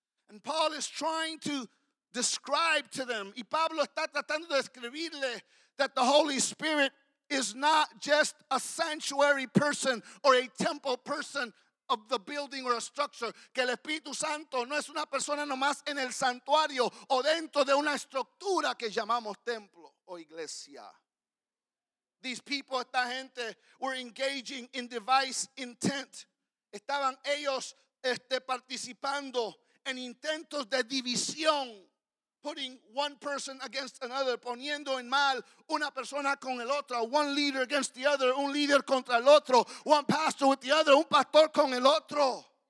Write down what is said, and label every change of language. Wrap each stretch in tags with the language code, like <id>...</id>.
<en>And Paul is trying to describe to them,</en> <es>y Pablo está tratando de escribirle,</es> <en>that the Holy Spirit is not just a sanctuary person or a temple person of the building or a structure.</en> <es>Que el Espíritu Santo no es una persona nomás en el santuario o dentro de una estructura que llamamos templo o iglesia.</es> <en>These people,</en> <es>esta gente,</es> <en>were engaging in device intent.</en> <es>Estaban ellos participando en intentos de división,</es> <en>putting one person against another,</en> <es>poniendo en mal una persona con el otro,</es> <en>one leader against the other,</en> <es>un líder contra el otro,</es> <en>one pastor with the other,</en> <es>un pastor con el otro.</es>